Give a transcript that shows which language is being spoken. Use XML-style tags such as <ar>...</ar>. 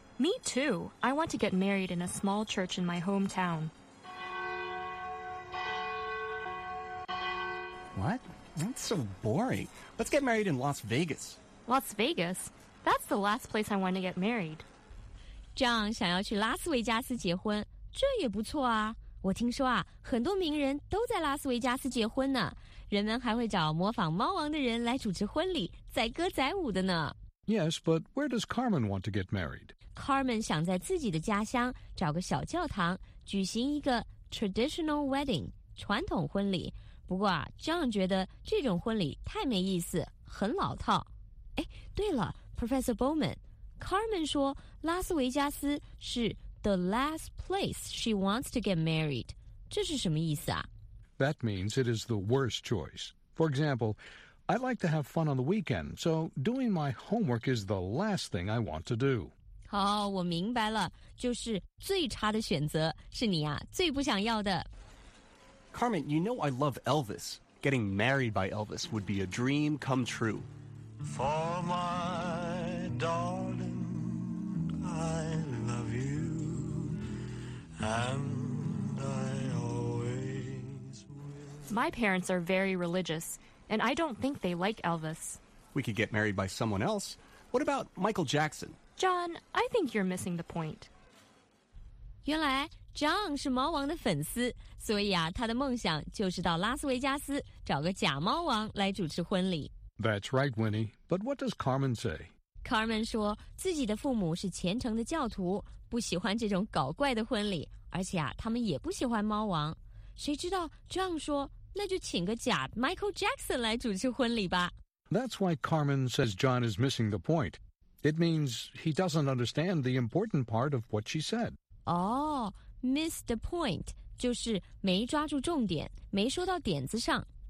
<en>Me too. I want to get married in a small church in my hometown. What? That's so boring. Let's get married in Las Vegas. Las Vegas? That's the last place I want to get married.</en> <zh>John 想要去拉斯维加斯结婚，这也不错啊。我听说啊，很多名人都在拉斯维加斯结婚呢，人们还会找模仿猫王的人来主持婚礼，载歌载舞的呢。</zh> <en>Yes, but where does Carmen want to get married?</en> <zh>Carmen 想在自己的家乡找个小教堂，举行一个</zh> <en>traditional wedding,</en> <zh>传统婚礼。不过啊 ,John 觉得这种婚礼太没意思，很老套。哎，对了 ,Professor Bowman, Carmen 说拉斯维加斯是</zh> <en>the last place she wants to get married.</en> <zh>这是什么意思啊</zh> <en>?That means it is the worst choice. For example,I'd like to have fun on the weekend, so doing my homework is the last thing I want to do.</en> <zh>好，我明白了，就是最差的选择是你啊，最不想要的。</zh> <en>Carmen, you know I love Elvis. Getting married by Elvis would be a dream come true. For my darling, I love you, and I always will. My parents are very religious. And I don't think they like Elvis. We could get married by someone else. What about Michael Jackson? John, I think you're missing the point.</en> <zh>原来 John 是猫王的粉丝，所以啊，他的梦想就是到拉斯维加斯找个假猫王来主持婚礼。</zh> <en>That's right, Winnie. But what does Carmen say?</en> <zh>Carmen 说自己的父母是虔诚的教徒，不喜欢这种搞怪的婚礼，而且啊，他们也不喜欢猫王。谁知道 John 说。那就请个假 Michael Jackson 来主持婚礼吧。</zh> <en>That's why Carmen says John is missing the point. It means he doesn't understand the important part of what she said.</en> <zh>Oh,</zh> <en>miss the point</en> <zh>就是没抓住重点，没说到点子上。</zh>